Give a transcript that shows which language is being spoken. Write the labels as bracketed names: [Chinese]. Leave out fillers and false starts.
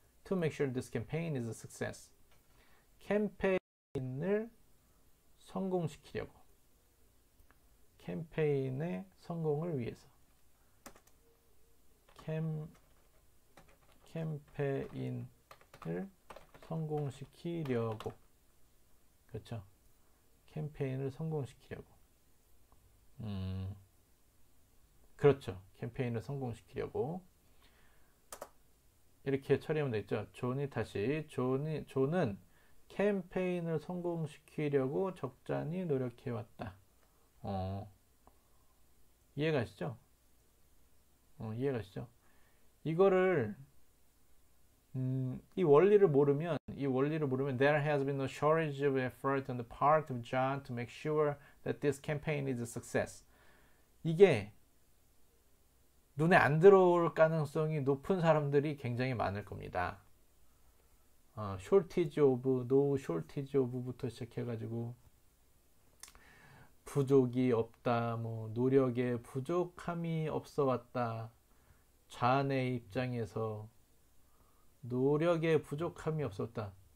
[English] To make sure this campaign is a success. [Korean] 캠페인을 성공시키려고. 캠페인의 성공을 위해서. 캠페인을 성공시키려고. 그렇죠? 캠페인을 성공시키려고. 그렇죠. 캠페인을 성공시키려고. 이렇게 처리하면 되겠죠. 존이 다시 존이 존은 캠페인을 성공시키려고 적잖이 노력해 왔다. 이해가시죠? 이해가시죠? 이거를 이 원리를 모르면 [English] there has been no shortage of effort on the part of John to make sure that this campaign is a success. [Korean] 이게 눈에 안 들어올 가능성이 높은 사람들이 굉장히 많을 겁니다. [English] shortage of, no shortage of [Korean] 부터 시작해가지고 부족이 없다, 뭐 노력에 부족함이 없어 왔다, 자네 입장에서 노력에 부족함이 없었다.